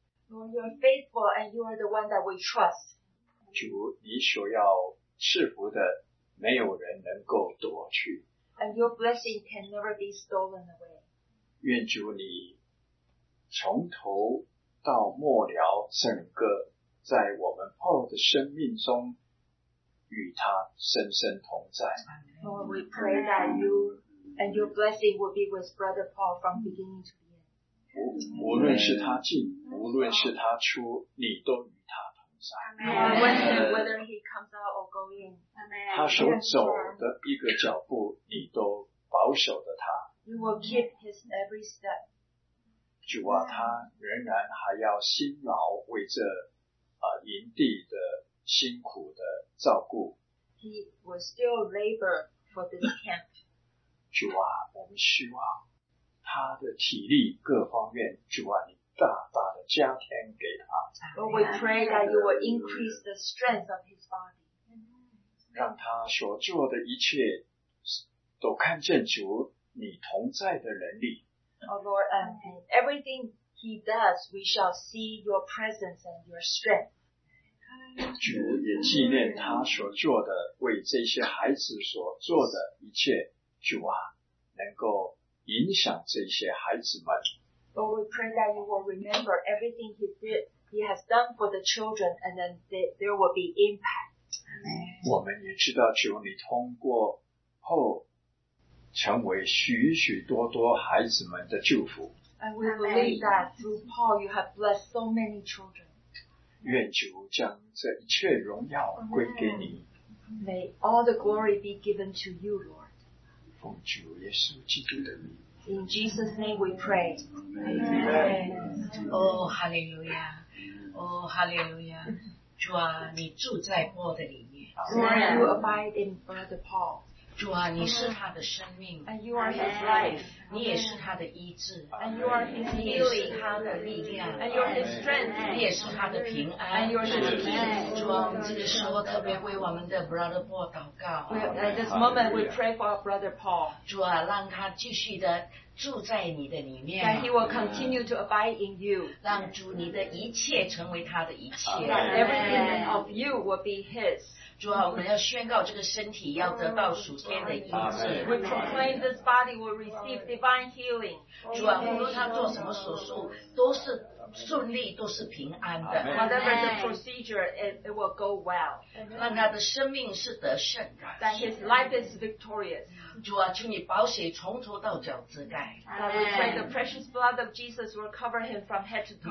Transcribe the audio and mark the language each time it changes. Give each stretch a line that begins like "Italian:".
English: You're faithful and you are the one that we trust.
Chinese: 主, 你所要赐福的,
English: and your blessing can never be stolen away.
Chinese: 愿主你从头到末了整个在我们Paul的生命中 与他深深同在。
English: Lord, we pray that you and your blessing will be with Brother Paul from beginning to end.
Chinese: 无论是他进, 无论是他出, 你都与他同在。
English: Amen. Whether he comes out or go in.
Chinese: 他所走的一个脚步, 你都保守的他。
English: You will keep his every step.
Chinese: 主啊, 他仍然还要辛劳为这, 营地的辛苦的照顾。
English: He will still labor for this camp.
Chinese: 主啊, 我们希望 他的体力各方面, 主啊, 你大大的加添给他。
English: But we pray that you will increase the strength of his body.
Chinese: 让他所做的一切 都看见主你同在的能力。
English: Oh Lord, and everything he does, we shall see your presence and your strength.
Chinese: 主也纪念他所做的, 为这些孩子所做的一切, 主啊, 能够影响这些孩子们。
English: But we pray that you will remember everything he did, he has done for the children, and then there will be impact.
Chinese: 我们也知道主你通过后, 成为许许多多孩子们的祝福。
English: And we believe that through Paul you have blessed so many children.
Chinese: 愿主将这一切荣耀归给你。
English: May all the glory be given to you, Lord.
Chinese: 奉主耶稣基督的名。
English: In Jesus' name we pray. Amen. Oh, hallelujah. Oh, hallelujah.
Chinese: 主啊,你住在Paul的里面。
English: Lord, you abide in Brother Paul.
Chinese: 主啊,你是他的生命。
English: And you are his life.
Chinese: 你也是他的医治。
English: And you are his healing.
Chinese: 你也是他的力量。
English: And you are his strength.
Chinese: 你也是他的平安。
English: And you are his peace.
Chinese: 主啊,我们这个时候特别为我们的Brother Paul祷告。
English: At this moment, we pray for our Brother Paul.
Chinese: 主啊,让他继续的
English: that he will continue to abide in you. Everything of you will be his.
Chinese: 主啊,我们要宣告这个身体要得到属天的医治。
English: We proclaim this body will receive divine healing.
Chinese: 主啊,无论他做什么手术, 都是顺利, 都是平安的。
English: Whatever the procedure, it will go well.
Chinese: 让他的生命是得胜的。
English: That his life is victorious.
Chinese: 主啊, 请你保血从头到脚遮盖。
English: We pray the precious blood of Jesus will cover him from head to toe.